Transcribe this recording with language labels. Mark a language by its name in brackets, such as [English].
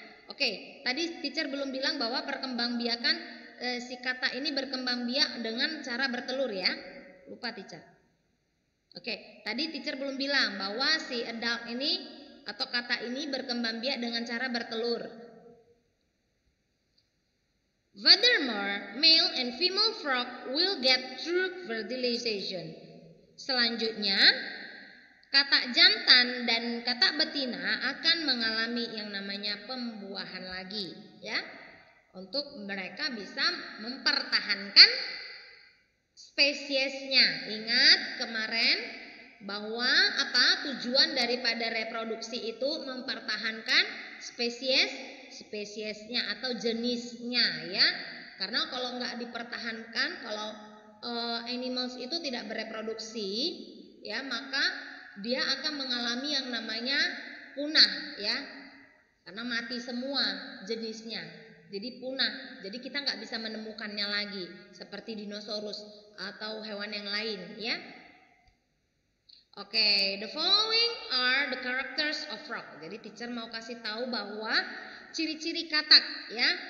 [Indonesian] Oke, tadi teacher belum bilang bahwa perkembangbiakan si katak ini berkembang biak dengan cara bertelur, ya. Lupa, teacher. Oke, tadi teacher belum bilang bahwa si adult ini atau katak ini berkembang biak dengan cara bertelur. [English] Furthermore, male and female frog will get through fertilization. [Indonesian] Selanjutnya, katak jantan dan katak betina akan mengalami yang namanya pembuahan lagi, ya. Untuk mereka bisa mempertahankan spesiesnya. Ingat kemarin bahwa apa tujuan daripada reproduksi itu mempertahankan spesiesnya atau jenisnya, ya. Karena kalau nggak dipertahankan, kalau animals itu tidak bereproduksi, ya, maka dia akan mengalami yang namanya punah, ya. Karena mati semua jenisnya. Jadi punah. Jadi kita enggak bisa menemukannya lagi seperti dinosaurus atau hewan yang lain, ya. [English] Oke, the following are the characters of frog. [Indonesian] Jadi teacher mau kasih tahu bahwa ciri-ciri katak, ya.